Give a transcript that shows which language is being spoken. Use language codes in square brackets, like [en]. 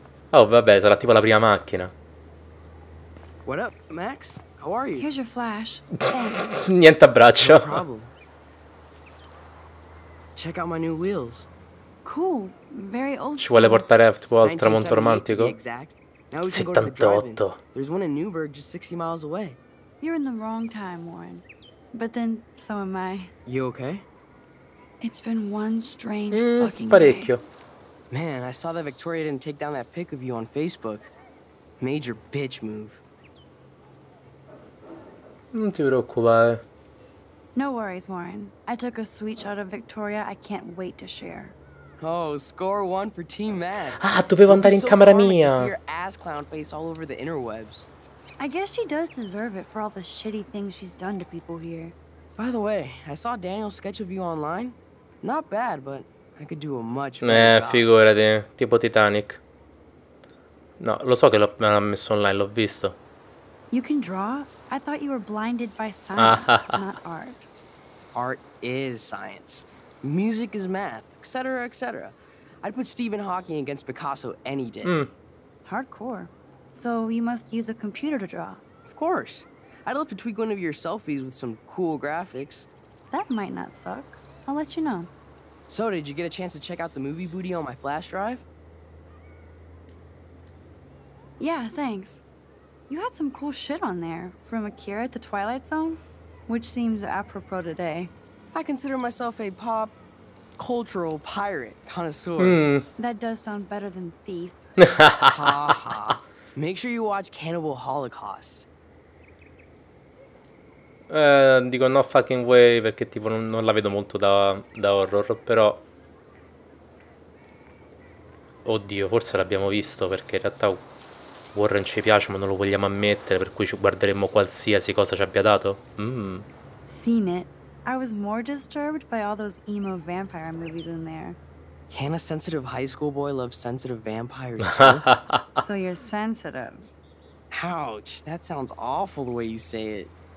[it] Oh, vabbè, sarà tipo la prima macchina. [en] What up, Max? How are you? Here's your flash. [it] Niente abbraccio. [en] No problem. Check out my new wheels. Cool, very old. [it] Ci vuole portare tipo al tramonto romantico? [en] 78. There's one in Newburgh just 60 miles away. You're in the wrong time, Warren. But then so am I. You okay? It's been one strange fucking day. [it] Parecchio. [en] Man, I saw that Victoria didn't take down that pic of you on Facebook. Major bitch move. [it] Non ti preoccupare. [en] No worries, Warren. I took a sweet shot of Victoria. I can't wait to share. Oh, score one for Team Max. [it] Ah, dovevo andare in camera mia. [en] Ass clown face all over the interwebs. I guess she does deserve it for all the shitty things she's done to people here. By the way, I saw Daniel's sketch of you online. Not bad, but I could do a much better job. [it] Figurati, tipo Titanic. No, lo so che l'ha messo online, l'ho visto. [en] You can draw? I thought you were blinded by science, not art. Art is science. Music is math, etc., etc. I'd put Stephen Hawking against Picasso any day. Mm. Hardcore. So you must use a computer to draw. Of course. I'd love to tweak one of your selfies with some cool graphics. That might not suck. I'll let you know. So, did you get a chance to check out the movie booty on my flash drive? Yeah, thanks. You had some cool shit on there, from Akira to Twilight Zone, which seems apropos today. I consider myself a pop cultural pirate connoisseur. Mm. That does sound better than thief. Ha ha. Make sure you watch Cannibal Holocaust. [it] Dico [en] no fucking way [it] perché tipo non la vedo molto da horror, però oddio, forse l'abbiamo visto perché in realtà Warren ci piace ma non lo vogliamo ammettere, per cui ci guarderemmo qualsiasi cosa ci abbia dato. [en] Seen it. I was more disturbed by all those emo vampire movies in there. Can a sensitive high school boy love sensitive vampires too? So you're sensitive. Ouch, that sounds awful the way you say it.